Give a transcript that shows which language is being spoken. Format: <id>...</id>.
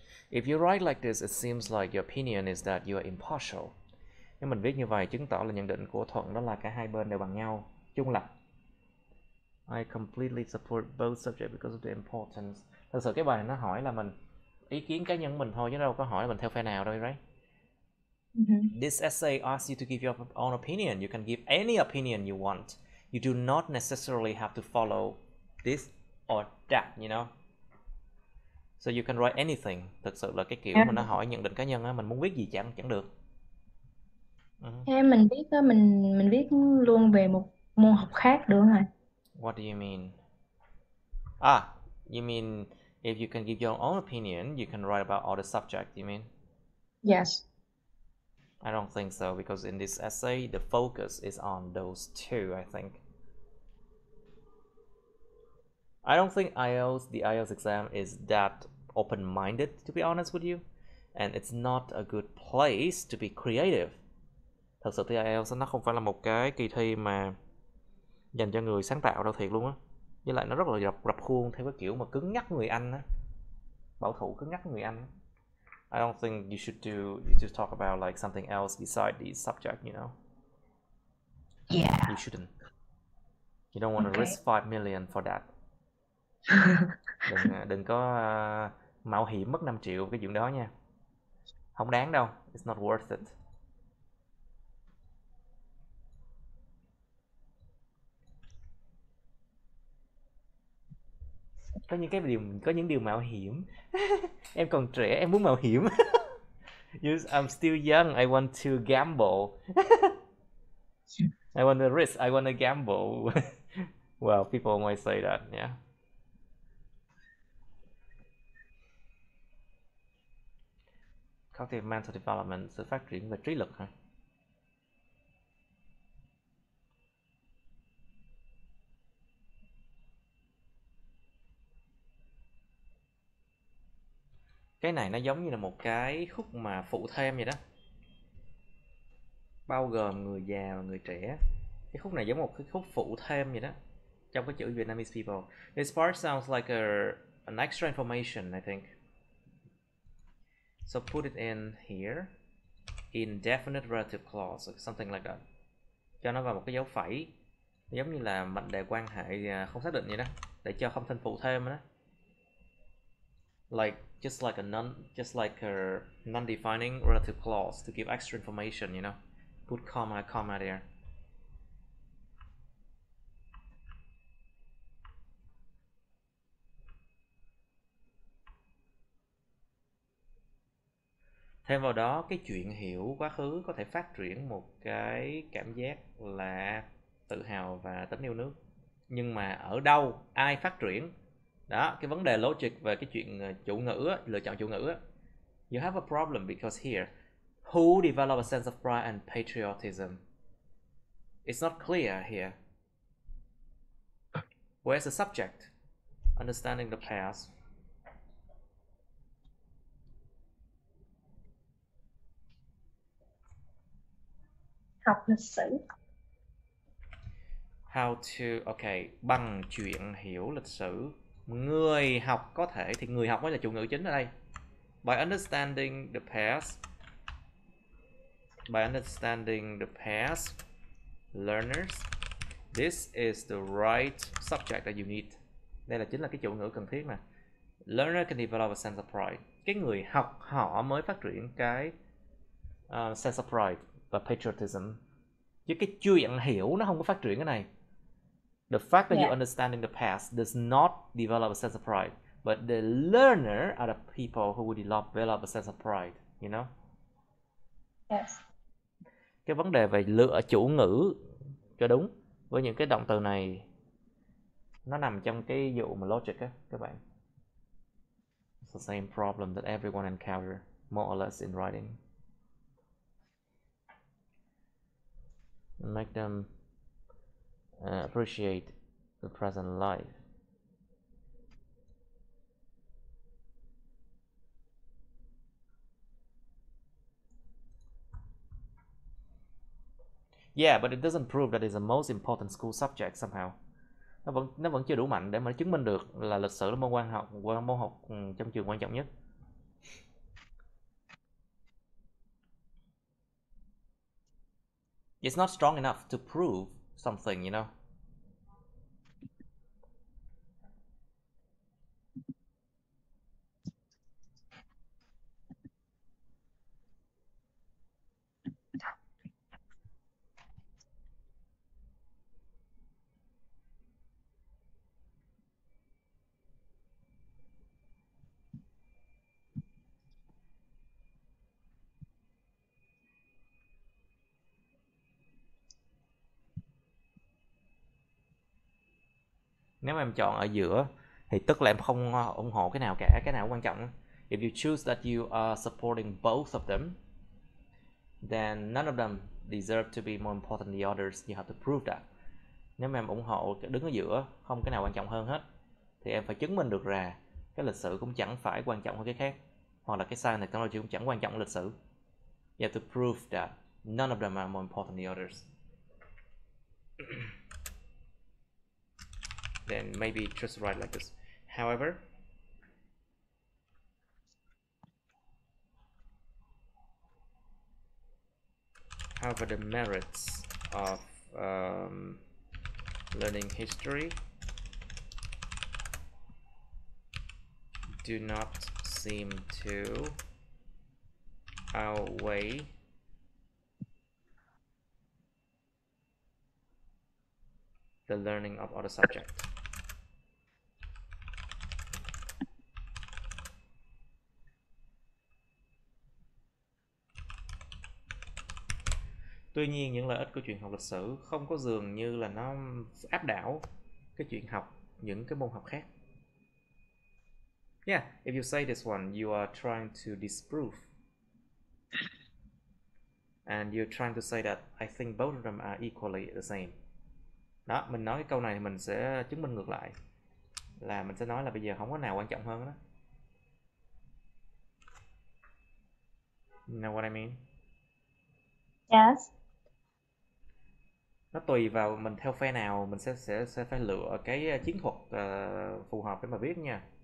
<en>If you write like this, it seems like your opinion is that you are impartial.</en> <vi>Nếu mình viết như vậy, chứng tỏ là nhận định của Thuận đó là cả hai bên đều bằng nhau, trung lập.</vi> <en>I completely support both subjects because of the importance.</en> <vi>Thật sự cái bài này nó hỏi là mình ý kiến cá nhân mình thôi, chứ đâu có hỏi là mình theo phe nào đâu,</vi> <en>right? This essay asks you to give your own opinion. You can give any opinion you want. You do not necessarily have to follow this or that, you know? So you can write anything.</en> <vi>Thật sự là cái kiểu mà nó hỏi nhận định cá nhân á, mình muốn viết gì chẳng chẳng được. Em mình biết đó, mình viết luôn về một môn học khác được rồi.</vi> <en>What do you mean? Ah, you mean if you can give your own opinion, you can write about all the subject, you mean? Yes. I don't think so, because in this essay, the focus is on those two, I think. I don't think IELTS, the IELTS exam, is that open-minded, to be honest with you. And it's not a good place to be creative.</en> <vi>Thật sự thì IELTS nó không phải là một cái kỳ thi mà dành cho người sáng tạo đâu thiệt luôn á. Với lại nó rất là rập khuôn theo cái kiểu mà cứng nhắc người Anh á. Bảo thủ cứng nhắc người Anh.</vi> <en>I don't think you should do, you should talk about like something else besides the subject, you know. Yeah. You shouldn't. You don't want to risk 5 million for that.</en> <vi>đừng có mạo hiểm mất 5 triệu cái chuyện đó nha. Không đáng đâu.</vi> <en>It's not worth it.</en> <vi>Có những cái điều, có những điều mạo hiểm. Em còn trẻ, em muốn mạo hiểm.</vi> <en>I'm still young, I want to gamble. I want to risk, I want to gamble. Well, people might say that, yeah. Cognitive mental development,</en> <vi>sự phát triển về trí lực hả? Cái này nó giống như là một cái khúc mà phụ thêm vậy đó. Bao gồm người già và người trẻ. Cái khúc này giống một cái khúc phụ thêm vậy đó. Trong cái chữ</vi> <en>Vietnamese people. This part sounds like an extra information, I think. So put it in here, indefinite relative clause, or something like that.</en> <vi>Cho nó vào một cái dấu phẩy, giống như là mệnh đề quan hệ không xác định vậy đó, để cho không thành phụ thêm đó.</vi> <en>Like, just like a non-defining relative clause to give extra information, you know. Put comma there.</en> <vi>Thêm vào đó, cái chuyện hiểu quá khứ có thể phát triển một cái cảm giác là tự hào và tấm yêu nước. Nhưng mà ở đâu, ai phát triển? Đó, cái vấn đề logic về cái chuyện chủ ngữ, lựa chọn chủ ngữ.</vi> <en>You have a problem because here, who developed a sense of pride and patriotism? It's not clear here. Where's the subject? Understanding the past. How to, okay,</en> <vi>bằng chuyện hiểu lịch sử. Người học có thể, thì người học mới là chủ ngữ chính ở đây.</vi> <en>By understanding the past, By understanding the past learners, this is the right subject that you need.</en> <vi>Đây là chính là cái chủ ngữ cần thiết mà.</vi> <en>Learner can develop a sense of pride.</en> <vi>Cái người học họ mới phát triển cái</vi> <en>sense of pride</en> <vi>và patriotism. Chứ cái chuyện hiểu nó không có phát triển cái này.</vi> <en>The fact that you understanding the past does not develop a sense of pride, but the learner are the people who would develop a sense of pride, you know? Yes.</en> <vi>Cái vấn đề về lựa chủ ngữ cho đúng với những cái động từ này nó nằm trong cái vụ mà logic á các bạn.</vi> <en>It's the same problem that everyone encounter more or less in writing. Make them appreciate the present life. Yeah, but it doesn't prove that it's the most important school subject somehow.</en> <vi>Nó vẫn chưa đủ mạnh để mà chứng minh được là lịch sử là môn học trong trường quan trọng nhất.</vi> <en>It's not strong enough to prove something, you know.</en> <vi>Nếu mà em chọn ở giữa thì tức là em không ủng hộ cái nào cả, cái nào quan trọng.</vi> <en>If you choose that you are supporting both of them, then none of them deserve to be more important than the others. You have to prove that.</en> <vi>Nếu mà em ủng hộ đứng ở giữa, không cái nào quan trọng hơn hết, thì em phải chứng minh được là cái lịch sử cũng chẳng phải quan trọng hơn cái khác, hoặc là cái science technology cũng chẳng quan trọng lịch sử.</vi> <en>You have to prove that none of them are more important than the others. Then maybe just write like this. However, the merits of learning history do not seem to outweigh the learning of other subjects.</en> <vi>Tuy nhiên những lợi ích của chuyện học lịch sử không có dường như là nó áp đảo cái chuyện học những cái môn học khác.</vi> <en>Yeah, if you say this one, you are trying to disprove. And you're trying to say that I think both of them are equally the same.</en> <vi>Đó, mình nói cái câu này thì mình sẽ chứng minh ngược lại. Là mình sẽ nói là bây giờ không có nào quan trọng hơn đó.</vi> <en>Know what I mean? Yes.</en> <vi>Nó tùy vào mình theo phe nào, mình sẽ phải lựa cái chiến thuật phù hợp để mà viết nha.</vi>